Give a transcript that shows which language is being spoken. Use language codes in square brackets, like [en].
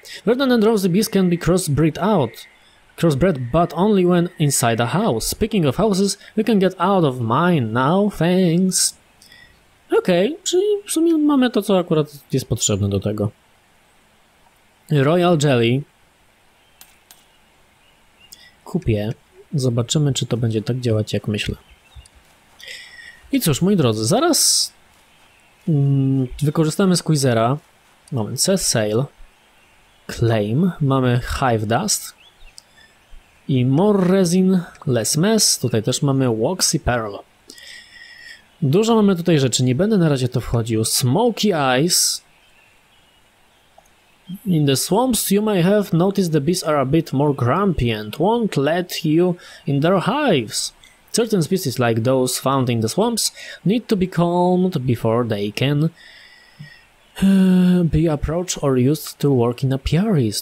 [en] Verdant and Drowsy beasts can be crossbred out. Crossbred, but only when inside a house. Speaking of houses, we can get out of mine now, thanks. [pl] Okej, okay, czyli w sumie mamy to, co akurat jest potrzebne do tego. Royal jelly. Kupię. Zobaczymy, czy to będzie tak działać, jak myślę. I cóż, moi drodzy, zaraz wykorzystamy Squeezera. Moment, says sale. Claim. Mamy Hive Dust. i More Resin, Less Mess. Tutaj też mamy Wox i Pearl. Dużo mamy tutaj rzeczy, nie będę na razie to wchodził. Smoky Eyes. [en] In the swamps you may have noticed the bees are a bit more grumpy and won't let you in their hives. Certain species like those found in the swamps need to be calmed before they can be approached or used to work in apiaries.